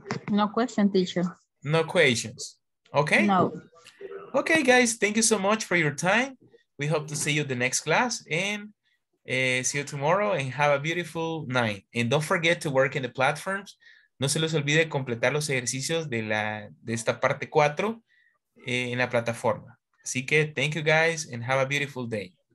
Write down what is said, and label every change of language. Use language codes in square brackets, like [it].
[en] No question, teacher. No questions. Okay. No. Okay, guys. Thank you so much for your time. We hope to see you in the next class and see you tomorrow and have a beautiful night. And don't forget to work in the platforms. [es] No se les olvide completar los ejercicios de esta parte 4 en la plataforma. Así que [en] thank you guys and have a beautiful day.